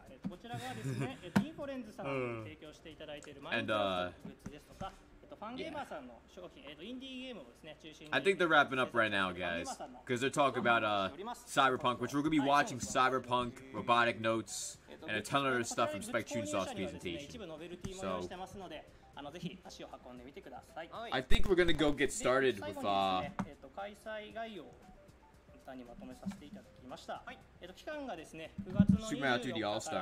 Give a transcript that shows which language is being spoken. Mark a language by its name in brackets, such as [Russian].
[Japanese] こちらがですね、インフォレンズさんに提供していただいているマインクラフトグッズですとか、ファンゲーマーさんの商品、インディーゲームをですね、中心に。 [English] I think they're wrapping up right now, guys. Because they're talking about Cyberpunk, which we're going to be watching Cyberpunk, Robotic Notes, and a ton of other stuff from Spec Chunsoft's presentation. [Japanese] So, ぜひ足を運んでみてください。 [English] I think we're going to go get started with... [Japanese] 開催概要にまとめさせていただきました。はい。期間がですね、9月の24日から